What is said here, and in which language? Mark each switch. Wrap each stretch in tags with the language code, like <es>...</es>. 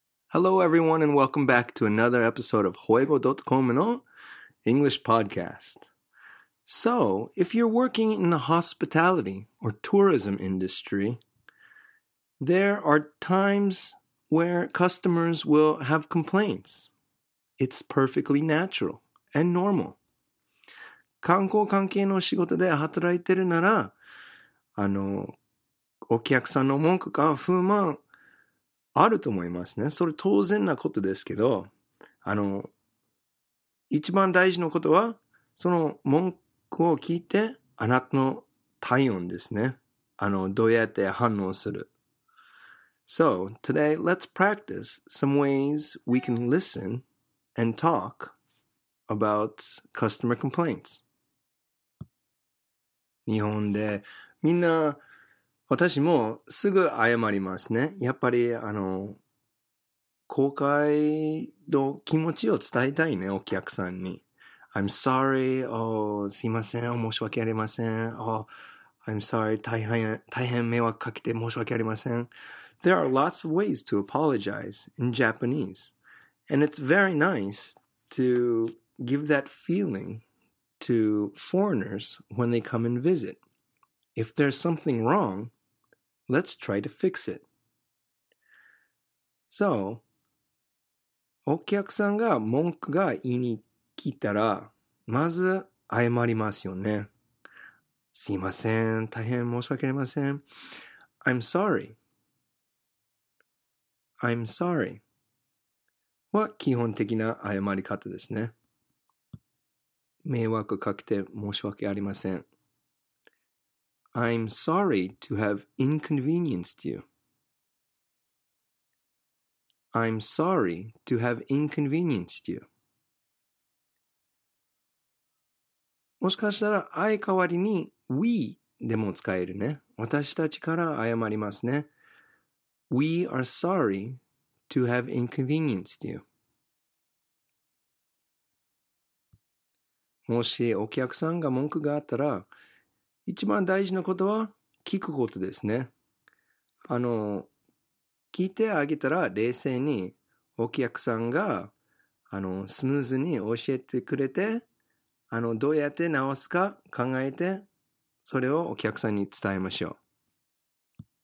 <en>Hello everyone and welcome back to another episode of Juego.com の English Podcast. So, if you're working in the hospitality or tourism industry, there are times where customers will have complaints. It's perfectly natural and normal.</en> <ja>観光関係の仕事で働いてるなら、お客さんの文句か不満あると思いますね。それ当然なことですけど、一番大事なことは、その文句を聞いて、あなたの体温ですね。どうやって反応する。</ja> <en>So, today, let's practice some ways we can listen and talk about customer complaints.</en> <ja>日本で、みんな、私もすぐ謝りますね。やっぱり後悔の気持ちを伝えたいね、お客さんに。</ja> <en>I'm sorry, oh,</en> <ja>すいません、申し訳ありません。</ja> <en>Oh, I'm sorry,</en> <ja>大変迷惑かけて申し訳ありません。</ja> <en>There are lots of ways to apologize in Japanese. And it's very nice to give that feeling to foreigners when they come and visit. If there's something wrong,Let's try to fix it.</en> <ja>So, お客さんが文句が言いに来たら、まず謝りますよね。すいません。大変申し訳ありません。</ja> <en>I'm sorry. I'm sorry.</en> <ja>は基本的な謝り方ですね。迷惑かけて申し訳ありません。</ja> <en>I'm sorry to have inconvenienced you. I'm sorry to have inconvenienced you.</en> <ja>もしかしたら、I 代わりに we でも使えるね。私たちから謝りますね。</ja> <en>We are sorry to have inconvenienced you.</en> <ja>もしお客さんが文句があったら、一番大事なことは聞くことですね。聞いてあげたら冷静にお客さんがスムーズに教えてくれてどうやって直すか考えてそれをお客さんに伝えましょう。</ja>